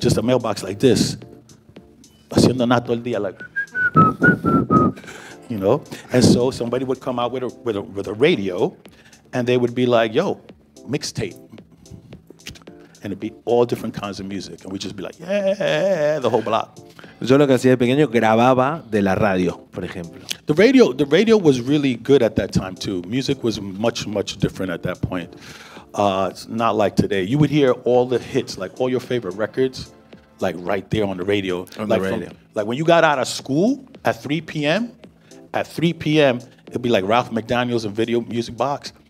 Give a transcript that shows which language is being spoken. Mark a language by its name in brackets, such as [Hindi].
[English] Just a mailbox like this. [Spanish] Haciendo nada todo el día, [English] like, you know? And so somebody would come out with a radio, and they would be like, yo, mixtape. And it'd be all different kinds of music. And we'd just be like, yeah, the whole block. [Spanish] Yo lo que hacía de pequeño, grababa de la radio, por ejemplo. [English] The radio was really good at that time, too. Music was much, much different at that point. It's not like today. You would hear all the hits, like all your favorite records, like right there on the radio. Like when you got out of school at 3 p.m., it'd be like Ralph McDaniels and Video Music Box.